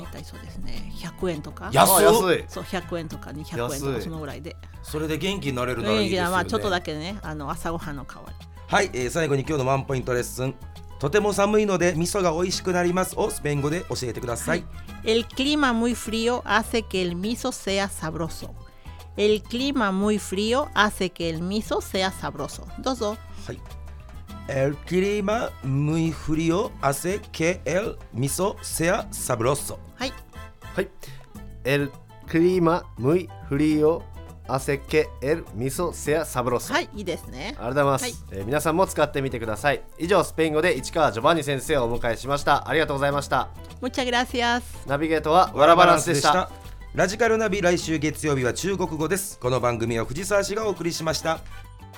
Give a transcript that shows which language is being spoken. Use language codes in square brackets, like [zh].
[ja] まあ、大体そうですね、100円とか。安っ。安い。そう、100円とか200円とかそのぐらいで。それで元気になれるならいいですよね。元気は、まあ、ちょっとだけね、あの、朝ごはんの代わり。はい、最後に今日のワンポイントレッスン。とても寒いので味噌が美味しくなりますをスペイン語で教えてください、はい、 [es] El clima muy frío hace que el miso sea sabrosoEl clima muy frío hace que el miso sea sabroso. [ja] どうぞ。はい。 [es] El clima muy frío hace que el miso sea sabroso. [ja] はい。はい。 [es] El clima muy frío hace que el miso sea sabroso. [ja] はい、いいですね。ありがとうございます、はい、皆さんも使ってみてください。以上、スペイン語で市川ジョバンニ先生をお迎えしました。ありがとうございました。 [es] Muchas gracias. [ja] ナビゲートはワラバランスでした。ラジカルナビ、来週月曜日は中国語です。この番組は藤沢氏がお送りしました。